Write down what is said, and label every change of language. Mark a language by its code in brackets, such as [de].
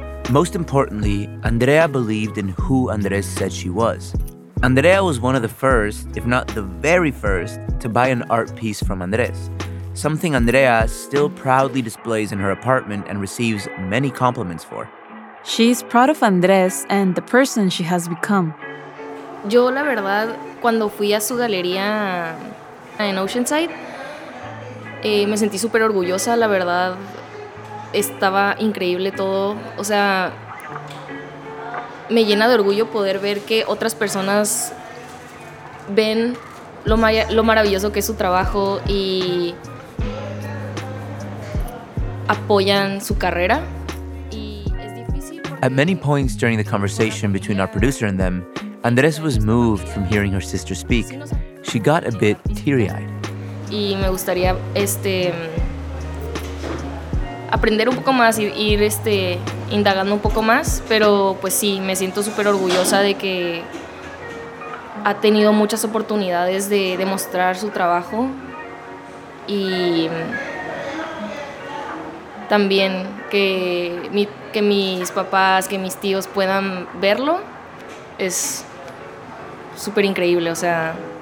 [en] Most importantly, Andrea believed in who Andrés said she was. Andrea was one of the first, if not the very first, to buy an art piece from Andrés, something Andrea still proudly displays in her apartment and receives many compliments for. She is proud of Andrés and the person she has become. [es] Yo, la verdad, cuando fui a su galería en Oceanside, me sentí súper orgullosa, la verdad. Estaba increíble todo. O sea, me llena de orgullo poder ver que otras personas ven lo maravilloso que es su trabajo y apoyan su carrera. Y es difícil. [en] At many points during the conversation between our producer and them, Andrés was moved from hearing her sister speak. She got a bit teary-eyed. [es] Y me gustaría aprender un poco más, ir indagando un poco más, pero pues sí, me siento súper orgullosa de que ha tenido muchas oportunidades de demostrar su trabajo y también que mis papás, que mis tíos puedan verlo, es súper increíble, o sea.